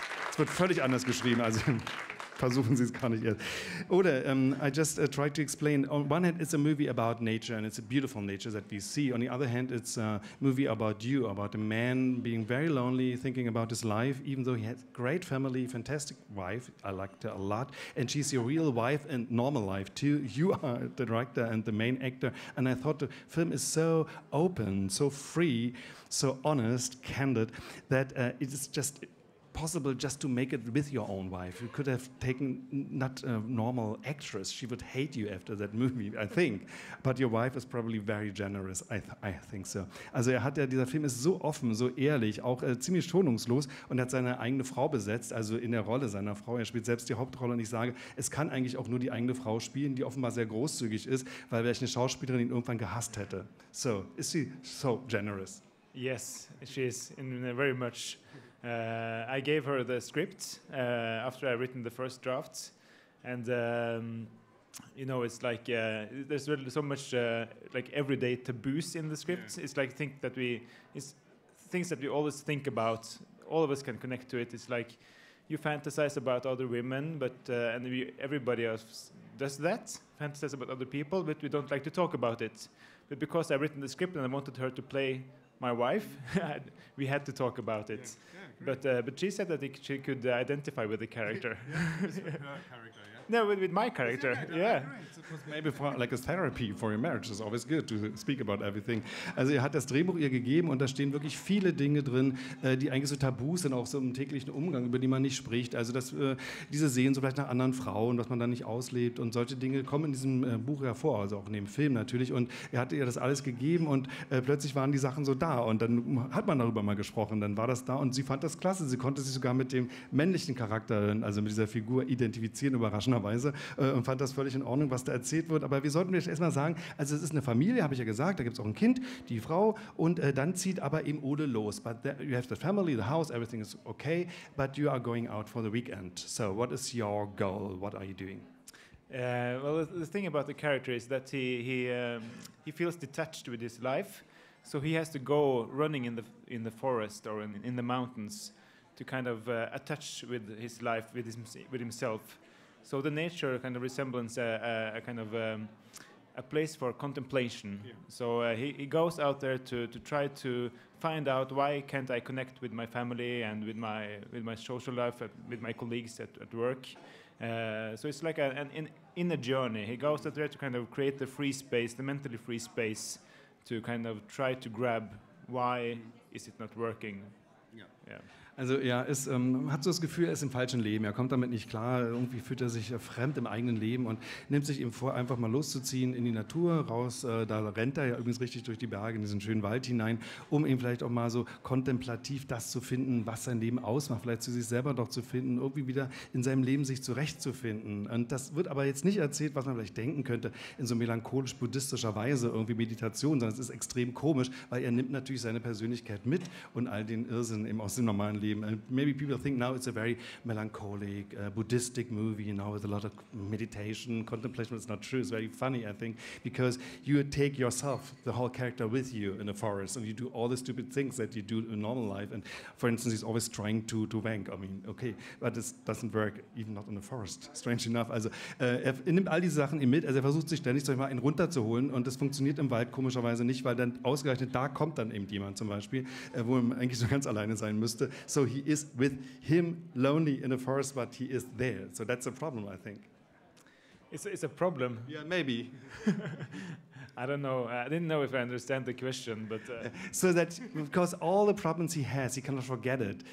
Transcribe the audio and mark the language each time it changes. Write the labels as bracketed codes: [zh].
[de] Es wird völlig anders geschrieben, also versuchen Sie es gar nicht erst. Oder [en] I just tried to explain. On one hand, it's a movie about nature and it's a beautiful nature that we see. On the other hand, it's a movie about you, about a man being very lonely, thinking about his life, even though he has great family, fantastic wife. I liked her a lot. And she's your real wife and normal life too. You are the director and the main actor. And I thought the film is so open, so free, so honest, candid, that it is just possible just to make it with your own wife. You could have taken not a normal actress. She would hate you after that movie, I think. But your wife is probably very generous. I think so. [de] Also er hat ja, dieser Film ist so offen, so ehrlich, auch ziemlich schonungslos und hat seine eigene Frau besetzt, also in der Rolle seiner Frau. Er spielt selbst die Hauptrolle und ich sage, es kann eigentlich auch nur die eigene Frau spielen, die offenbar sehr großzügig ist, weil welche eine Schauspielerin ihn irgendwann gehasst hätte. [en] So, is she so generous? Yes, she is in a very much... I gave her the script after I written the first draft, and you know, it's like there's really so much like everyday taboos in the script. Yeah. It's like things that we always think about. All of us can connect to it. It's like you fantasize about other women, but and everybody else does that, fantasize about other people, but we don't like to talk about it. But because I written the script and I wanted her to play my wife, we had to talk about it. Yeah. Yeah, but she said that she could identify with the character. With my character, yeah. Maybe for like a therapy for your marriage, it's always good to speak about everything. [de] Also er hat das Drehbuch ihr gegeben und da stehen wirklich viele Dinge drin, die eigentlich so Tabus sind, auch so im täglichen Umgang, über die man nicht spricht. Also dass diese Sehen so vielleicht nach anderen Frauen, was man da nicht auslebt und solche Dinge kommen in diesem Buch hervor, also auch in dem Film natürlich. Und er hatte ihr das alles gegeben und plötzlich waren die Sachen so da und dann hat man darüber mal gesprochen, dann war das da und sie fand das klasse, sie konnte sich sogar mit dem männlichen Charakter, also mit dieser Figur identifizieren, überraschenderweise, und fand das völlig in Ordnung, was da erzählt wird. Aber wir sollten jetzt erstmal sagen, also es ist eine Familie, habe ich ja gesagt, da gibt es auch ein Kind, die Frau, und dann zieht aber eben Ole los. [en] But there, you have the family, the house, everything is okay, but you are going out for the weekend. So what is your goal? What are you doing? Well, the thing about the character is that he feels detached with his life. So he has to go running in the forest or in the mountains to kind of attach with his life, with himself. So the nature kind of resembles a place for contemplation. Yeah. So he goes out there to try to find out why can't I connect with my family and with my social life, with my colleagues at work. So it's like an inner journey. He goes out there to kind of create the free space, the mentally free space, to kind of try to grab why is it not working. [de] Also er ist, hat so das Gefühl, er ist im falschen Leben. Er kommt damit nicht klar. Irgendwie fühlt er sich fremd im eigenen Leben und nimmt sich ihm vor, einfach mal loszuziehen in die Natur raus. Da rennt er ja übrigens richtig durch die Berge in diesen schönen Wald hinein, um ihm vielleicht auch mal so kontemplativ das zu finden, was sein Leben ausmacht. Vielleicht zu sich selber doch zu finden, irgendwie wieder in seinem Leben sich zurechtzufinden. Und das wird aber jetzt nicht erzählt, was man vielleicht denken könnte, in so melancholisch-buddhistischer Weise, irgendwie Meditation, sondern es ist extrem komisch, weil er nimmt natürlich seine Persönlichkeit mit und all den Irrsinn eben aus dem normalen Leben. Leben. [en] And maybe people think now it's a very melancholic, Buddhistic movie, you know, with a lot of meditation, contemplation. It's not true. It's very funny, I think, because you take yourself, the whole character, with you in a forest, and you do all the stupid things that you do in normal life. And for instance, he's always trying to wank. I mean, okay, but this doesn't work, even not in a forest, strange enough. [de] Also, er nimmt all diese Sachen mit, also er versucht sich ständig, sag ich mal, ihn runterzuholen, und das funktioniert im Wald komischerweise nicht, weil dann ausgerechnet da kommt dann eben jemand zum Beispiel, wo er eigentlich so ganz alleine sein müsste. [en] So he is with him lonely in a forest, but he is there. So that's a problem, I think. It's a problem. Yeah, maybe. I don't know. I didn't know if I understand the question, but so that because all the problems he has, he cannot forget it.